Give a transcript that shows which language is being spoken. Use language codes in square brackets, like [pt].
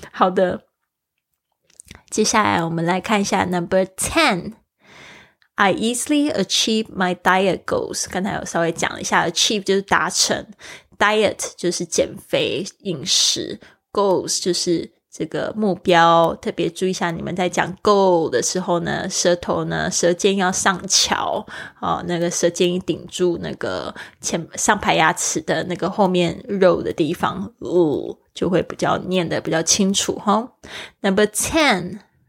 [zh] 好的，接下来我们来看一下 number 10， [en] I easily achieve my diet goals. [zh] 刚才有稍微讲一下 achieve 就是达成 diet 就是减肥饮食 goals 就是这个目标特别注意一下你们在讲 goal 的时候呢舌头呢舌尖要上翘、哦、那个舌尖一顶住那个前上排牙齿的那个后面肉的地方、哦、就会比较念得比较清楚、哦、Number 10、